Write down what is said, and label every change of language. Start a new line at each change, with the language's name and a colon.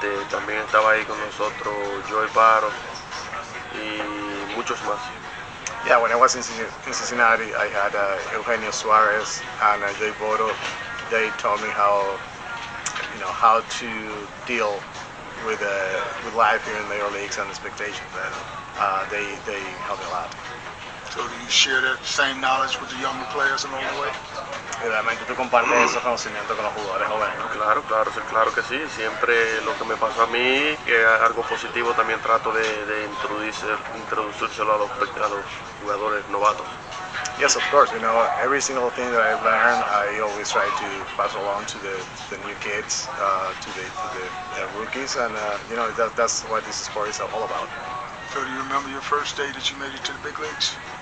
Spanish: También estaba ahí con nosotros Joey Paro y muchos más.
English: Yeah, when I was in Cincinnati, I had Eugenio Suarez and Joey Paro. They taught me how to deal with life here in the major leagues and expectations. They helped me a lot. So do you share that same knowledge with the younger players along the way?
Spanish: Realmente tú compartes esos conocimientos con los jugadores jóvenes. Claro que sí. Siempre lo que me pasó a mí, que algo positivo también trato de introducírselo a los jugadores novatos.
English: Yes, of course. You know, every single thing that I've learned, I always try to pass along to the new kids, to the rookies, and you know, that's what this sport is all about. So do you remember your first day that you made it to the big leagues?